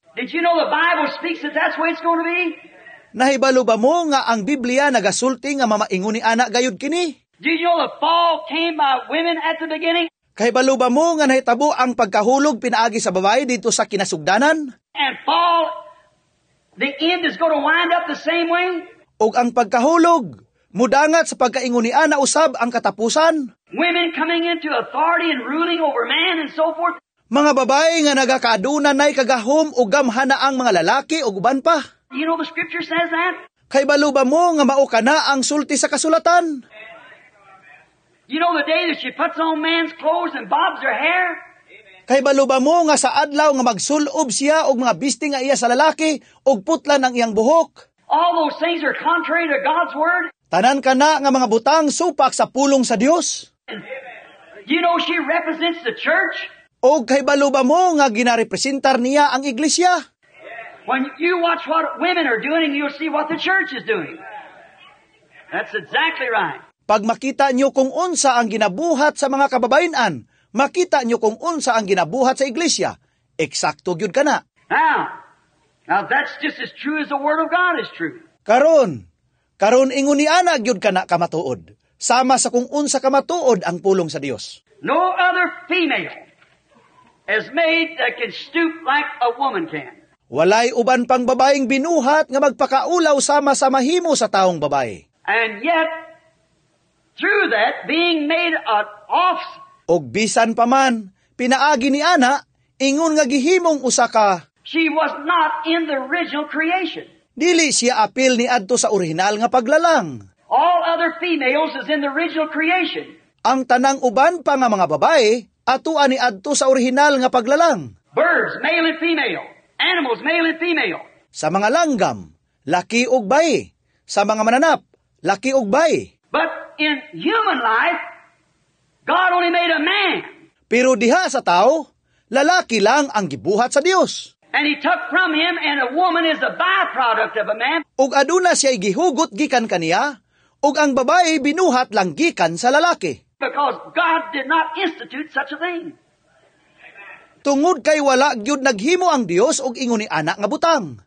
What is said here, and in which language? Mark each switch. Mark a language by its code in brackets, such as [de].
[en] Did you know the Bible speaks that that's where it's going to be? [ceb] Nahibalo ba mo nga ang Biblia nagasulti nga mamaingon ni anak gayud kini? [en] Did you know the fall came by women at the beginning? [ceb] Kay balo ba mo nga nahitabo ang pagkahulog pinaagi sa babae dito sa kinasugdanan? [en] And fall, the end is going to wind up the same way? [ceb] Ug ang pagkahulog, mudangat sa pagkaingon ni ana usab ang katapusan? [en] Women coming into authority and ruling over man and so forth. [ceb] Mga babae nga nagakaaduna nay kagahom o gamhana ang mga lalaki o guban pa. [en] You know the scripture says that? [ceb] Kay baluba mo nga mauka na ang sulti sa kasulatan? [en] You know the day that she puts on man's clothes and bobs her hair? [ceb] Kay baluba mo nga sa adlaw nga magsulob siya og mga bisting nga iya sa lalaki og putlan ang iyang buhok? [en] All those things are contrary to God's word. [ceb] Tanan ka na nga mga butang supak sa pulong sa Dios. [en] You know she represents the church? [ceb] Og kay baluba mo nga ginarepresentar niya ang iglesia? [en] When you watch what women are doing, you'll see what the church is doing. That's exactly right. [ceb] Pag makita niyo kung unsa ang ginabuhat sa mga kababayenan, makita niyo kung unsa ang ginabuhat sa iglesia. Eksakto gyud kana. [en] Now that's just as true as the word of God is true. [ceb] Karon ingon ni ana gyud kana kamatuod. Sama sa kung unsa kamatuod ang pulong sa Dios. [en] No other female is made that can stoop like a woman can. [ceb] Walay uban pang babaeng binuhat nga magpakaulaw sama sa mahimo sa taong babae. [en] And yet, through that, being made an offspring. [ceb] Og bisan pa man, pinaagi ni ana, ingon nga gihimong usa ka. [en] She was not in the original creation. [ceb] Dili siya apil ni adto sa orihinal nga paglalang. [en] All other females is in the original creation. [ceb] Ang tanang uban pa nga mga babae, atua ni adto sa orihinal nga paglalang. [en] Birds, male and female. Animals, male and female. [ceb] Sa mga langgam, laki og bay. Sa mga mananap, laki og bay. [en] But in human life, God only made a man. [ceb] Pero diha sa tao, lalaki lang ang gibuhat sa Dios. [en] And he took from him and a woman is a byproduct of a man. [ceb] Ug aduna siya gihugot gikan kaniya, ug ang babae binuhat lang gikan sa lalaki. Because God did not institute such a thing. Tungod kay wala gyud naghimo ang Dios ug ingon ni ana nga butang.